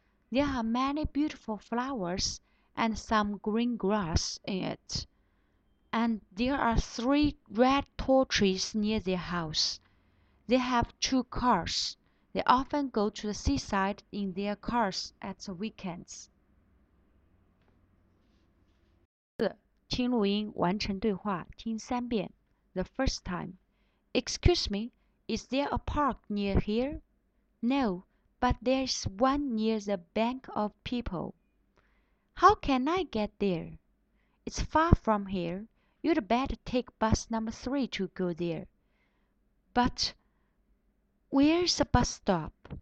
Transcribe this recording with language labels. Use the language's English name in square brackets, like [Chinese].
[English] There are many beautiful flowers and some green grass in it. And there are three red tall trees near their house. They have two cars. They often go to the seaside in their cars at the weekends. [Chinese] 听录音，完成对话，听三遍。 [English] The first time. Excuse me, is there a park near here? No, but there's one near the bank of people. How can I get there? It's far from here. You'd better take bus number three to go there. But where's the bus stop?